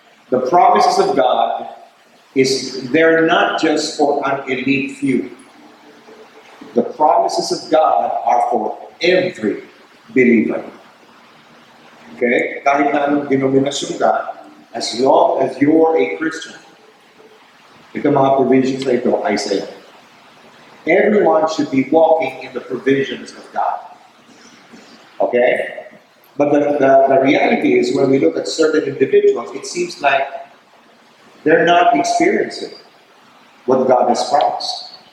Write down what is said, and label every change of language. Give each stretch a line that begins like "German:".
English: The promises of God, they're not just for an elite few. The promises of God are for every believer. Okay?
Filipino: Kahit na anong denominasyon ka,
English: as long as you're a Christian,
Filipino: ito mga provisions na ito ay sa'yo.
English: Everyone should be walking in the provisions of God. Okay? But the reality is, when we look at certain individuals, it seems like they're not experiencing what God has promised.